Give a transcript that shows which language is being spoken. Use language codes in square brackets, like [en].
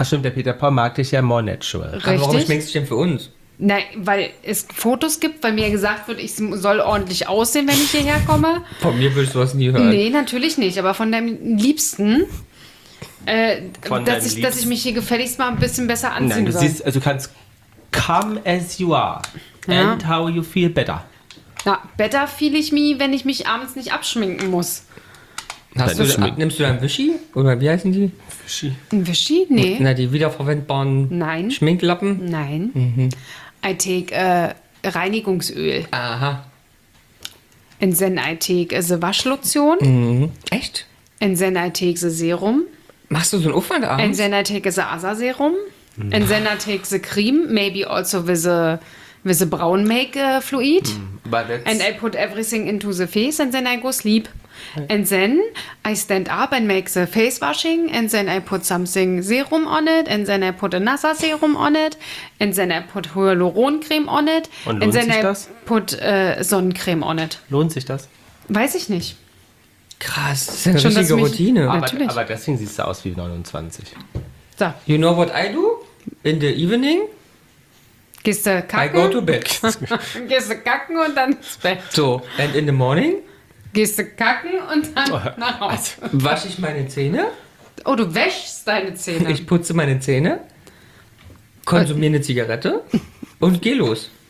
[de] Ach stimmt, der Peter Paul mag dich ja more natural. Richtig. Aber warum schminkst du dich denn für uns? Nein, weil es Fotos gibt, weil mir gesagt wird, ich soll ordentlich aussehen, wenn ich hierher komme. Von mir willst du was nie hören. Nee, natürlich nicht. Aber von deinem Liebsten, dass ich mich hier gefälligst mal ein bisschen besser anziehen soll. [en] Nein, du kannst come as you are and how you feel better. [de] Na, better feel ich mich, wenn ich mich abends nicht abschminken muss. Nimmst du da ein Wischi? Oder wie heißen die? Wischi. Ein Wischi? Nee. Na, die wiederverwendbaren Schminklappen? [en] Nein. I take Reinigungsöl. [de] Aha. [en] And then I take the Waschlotion. [de] Mhm. Echt? [en] And then I take the Serum. [de] Machst du so einen Aufwand abends? [en] And then I take the Asa Serum. And then I take the Cream. Maybe also with the Brown Make Fluid. And I put everything into the face and then I go sleep. And then I stand up and make the face washing and then I put something serum on it and then I put a NASA serum on it and then I put Hyaluroncreme on it [de] und lohnt [en] and then [de] sich I das? [en] Put Sonnencreme on it. [de] Lohnt sich das? Weiß ich nicht. Krass, das ist ja eine richtige Routine. Aber deswegen siehst du aus wie 29. So. [en] You know what I do in the evening? [de] Gehst du kacken? [en] I go to bed. [de] Gehst du kacken und dann ins Bett. [en] So, and in the morning? [de] Gehst du kacken und dann nach Hause. Also, wasche ich meine Zähne? Oh, du wäschst deine Zähne. Ich putze meine Zähne, konsumiere eine Zigarette und geh los.